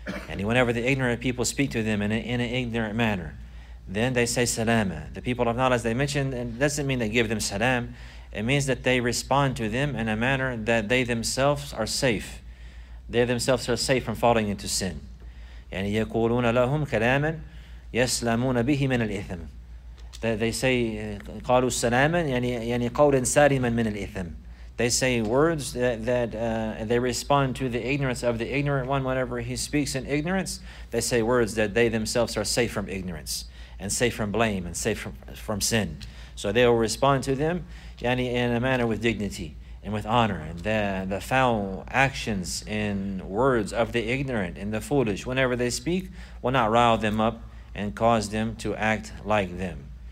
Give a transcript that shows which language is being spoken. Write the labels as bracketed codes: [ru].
[en] And whenever the ignorant people speak to them in an ignorant manner, then they say سَلَامًا. The people of knowledge, they mentioned, and it doesn't mean they give them salam. It means that they respond to them in a manner that they themselves are safe. They themselves are safe from falling into sin. [ar] يعني يقولون لهم كلاما يسلمون به من الإثم. [en] They say [ar] قالوا سلاما يعني قولا سالما من الإثم. [en] They say words that they respond to the ignorance of the ignorant one whenever he speaks in ignorance. They say words that they themselves are safe from ignorance and safe from blame and safe from sin. So they will respond to them يعني in a manner with dignity and with honor, and the foul actions and words of the ignorant and the foolish, whenever they speak, will not rile them up and cause them to act like them.